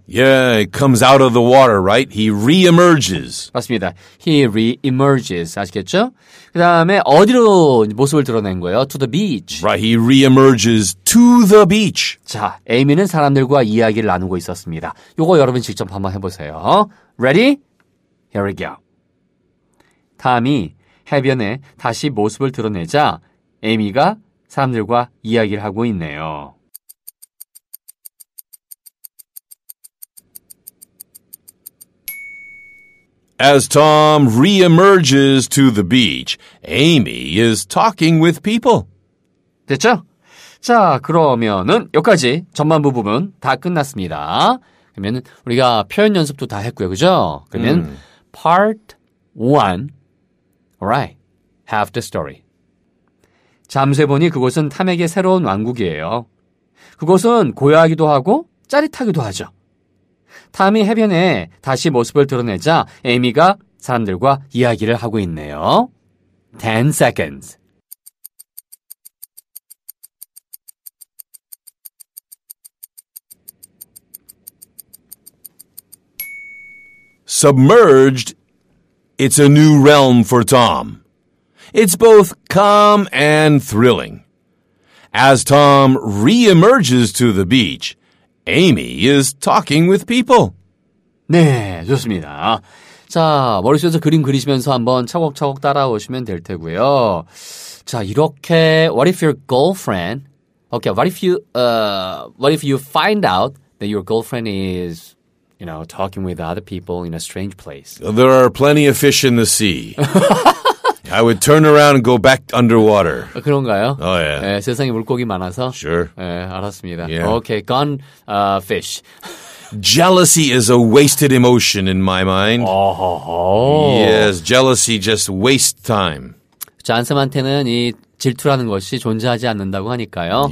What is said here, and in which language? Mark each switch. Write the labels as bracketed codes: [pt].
[en] Yeah, it comes out of the water, right? He re-emerges. [ko] 맞습니다. [en] He re-emerges. [ko] 아시겠죠? 그 다음에 어디로 모습을 드러낸 거예요? [en] To the beach. Right, he re-emerges to the beach. [ko] 자, 에이미는 사람들과 이야기를 나누고 있었습니다. 이거 여러분 직접 한번 해보세요. [en] Ready? Here we go. [ko] 탐이 해변에 다시 모습을 드러내자 에이미가 사람들과 이야기를 하고 있네요. [en] As Tom re-emerges to the beach, Amy is talking with people. [ko] 됐죠? 자, 그러면은 여기까지 전반부 부분 다 끝났습니다. 그러면 우리가 표현 연습도 다 했고요. 그죠? 그러면 [en] part 1. Alright. Half the story. [ko] 잠수해보니 그곳은 탐에게 새로운 왕국이에요. 그곳은 고요하기도 하고 짜릿하기도 하죠. 탐이 해변에 다시 모습을 드러내자 에이미가 사람들과 이야기를 하고 있네요. [en] 10 seconds. Submerged, it's a new realm for Tom. It's both calm and thrilling. As Tom re-emerges to the beach, Amy is talking with people. [ko] 네, 좋습니다. 자, 머릿속에서 그림 그리시면서 한번 차곡차곡 따라오시면 될 테고요. 자, 이렇게 [en] what if your girlfriend? Okay, what if you find out that your girlfriend is, you know, talking with other people in a strange place? There are plenty of fish in the sea. I would turn around and go back underwater. [ko] 그런가요? [en] Oh, yeah. [ko] 예, 세상에 물고기 많아서? [en] Sure. [ko] 예, 알았습니다. [en] Yeah. Okay, gone fish. Jealousy is a wasted emotion in my mind. Oh, oh, oh. Yes, jealousy just wastes time. [ko] 잔쌤한테는 이 질투라는 것이 존재하지 않는다고 하니까요.